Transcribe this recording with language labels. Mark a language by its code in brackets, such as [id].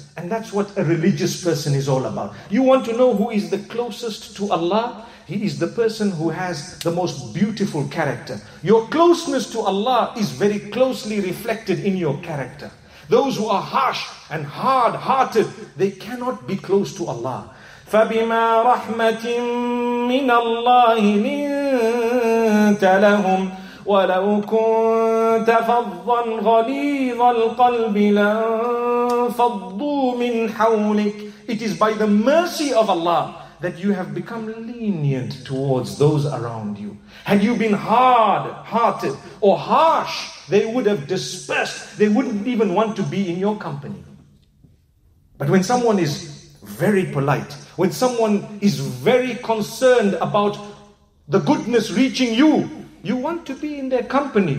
[en] And that's what a religious person is all about. You want to know who is the closest to Allah? He is the person who has the most beautiful character. Your closeness to Allah is very closely reflected in your character. Those who are harsh and hard-hearted, they cannot be close to Allah. [ar] فبما رحمة من الله لنت لهم ولو كنت فظا غليظ القلب لانفضوا من حولك. [en] It is by the mercy of Allah that you have become lenient towards those around you. Had you been hard-hearted or harsh, they would have dispersed. They wouldn't even want to be in your company. But when someone is very polite, when someone is very concerned about the goodness reaching you, you want to be in their company.